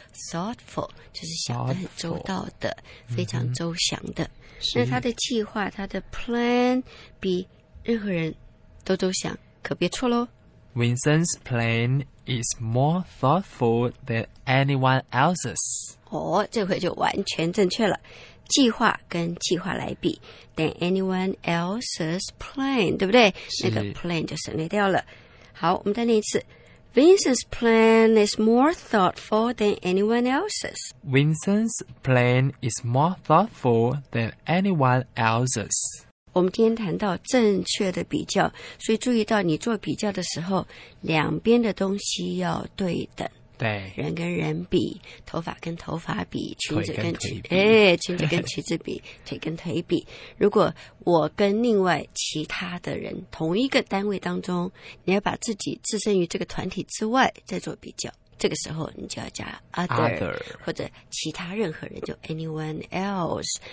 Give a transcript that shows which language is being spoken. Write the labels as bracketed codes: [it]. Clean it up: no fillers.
[zh] thoughtful 就是想得很周到的，非常周详的。嗯，那他的计划，他的 plan 比任何人都周详，可别错喽。 [en] Vincent's plan is more thoughtful than anyone else's. [zh] 哦，这回就完全正确了。计划跟计划来比 ， [en] than anyone else's plan， [zh] 对不对？那个 plan 就省略掉了。好，我们再念一次。 [en] Vincent's plan is more thoughtful than anyone else's. Vincent's plan is more thoughtful than anyone else's. [zh] 我们今天谈到正确的比较，所以注意到你做比较的时候，两边的东西要对等。对，人跟人比，头发跟头发比，裙子跟裙子，裙子跟裙子比，腿跟腿比。如果我跟另外其他的人同一个单位当中，你要把自己置身于这个团体之外再做比较，这个时候你就要加 other， 或者其他任何人，就 anyone else。